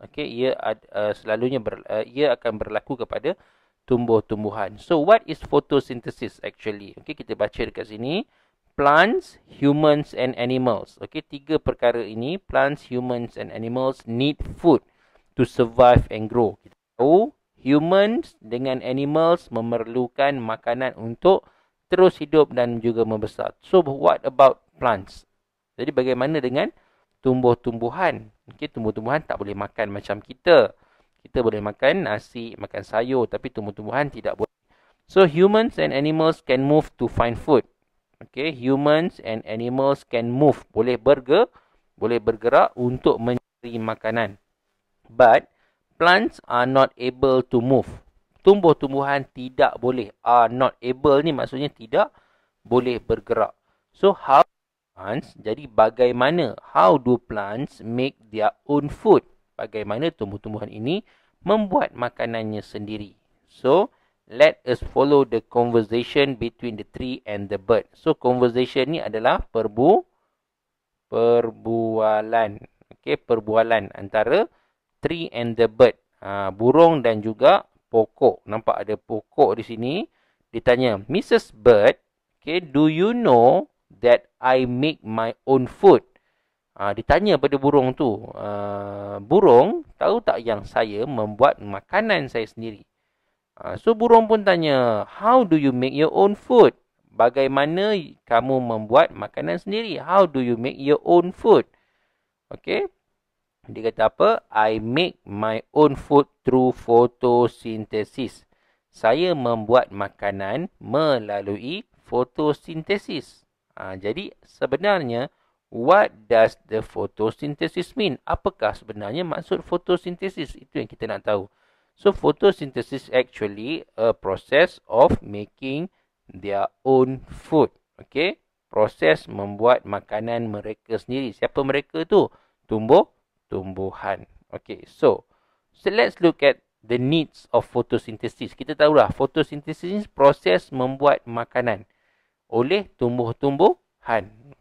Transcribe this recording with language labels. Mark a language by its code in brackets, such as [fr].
[ms] Okay, ia akan berlaku kepada tumbuh-tumbuhan. [en] So what is photosynthesis actually? Okay, [ms] kita baca dekat sini. [en] Plants, humans and animals. Okay, [ms] tiga perkara ini, [en] plants, humans and animals need food to survive and grow. [ms] Kita tahu humans dengan animals memerlukan makanan untuk terus hidup dan juga membesar. [en] So what about plants? [ms] Jadi bagaimana dengan tumbuh-tumbuhan? Okay, tumbuh-tumbuhan tak boleh makan macam kita. Kita boleh makan nasi, makan sayur, tapi tumbuh-tumbuhan tidak boleh. [en] So humans and animals can move to find food. Okay, humans and animals can move, [ms] boleh bergerak untuk mencari makanan. [en] But plants are not able to move. [ms] Tumbuh-tumbuhan tidak boleh. [en] Are not able [ms] ni maksudnya tidak boleh bergerak. [en] So how plants, [ms] jadi bagaimana, [en] how do plants make their own food? [ms] Bagaimana tumbuh-tumbuhan ini membuat makanannya sendiri? [en] So, let us follow the conversation between the tree and the bird. [ms] So, conversation ni adalah perbualan. [en] Okay, [ms] perbualan antara [en] tree and the bird. [ms] Burung dan juga pokok. Nampak ada pokok di sini. Ditanya, Mrs. [en] Bird, okay, do you know that I make my own food? [ms] Ditanya pada burung tu. Burung, tahu tak yang saya membuat makanan saya sendiri? [en] So, [ms] burung pun tanya, [en] how do you make your own food? [ms] Bagaimana kamu membuat makanan sendiri? [en] How do you make your own food? Okay. [ms] Dia kata apa? [en] I make my own food through photosynthesis. [ms] Saya membuat makanan melalui photosynthesis. Jadi sebenarnya, [en] what does the photosynthesis mean? [ms] Apakah sebenarnya maksud photosynthesis? Itu yang kita nak tahu. [en] So, photosynthesis actually a process of making their own food. Okay? [ms] Proses membuat makanan mereka sendiri. Siapa mereka tu? Tumbuh-tumbuhan. [en] Okay, so let's look at the needs of photosynthesis. [ms] Kita tahulah, photosynthesis ni proses membuat makanan oleh tumbuh-tumbuhan.